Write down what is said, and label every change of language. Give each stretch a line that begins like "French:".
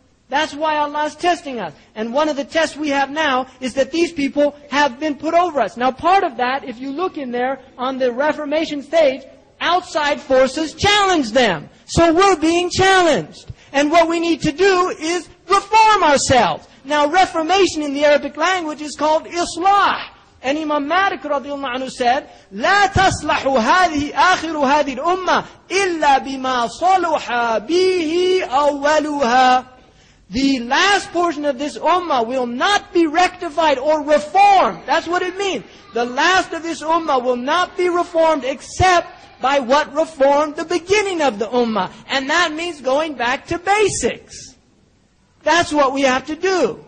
English: That's why Allah is testing us. And one of the tests we have now is that these people have been put over us. Now part of that, if you look in there on the Reformation stage, outside forces challenge them. So we're being challenged. And what we need to do is reform ourselves. Now reformation in the Arabic language is called Islah. And Imam Malik radiallahu anhu said,
Arabic: لَا تَصْلَحُ هَذِهِ آخِرُ هَذِهِ الْأُمَّةِ إِلَّا بِمَا صَلُحَ بِهِ أَوَّلُهَا.
English: The last portion of this ummah will not be rectified or reformed. That's what it means. The last of this ummah will not be reformed except by what reformed the beginning of the ummah. And that means going back to basics. That's what we have to do.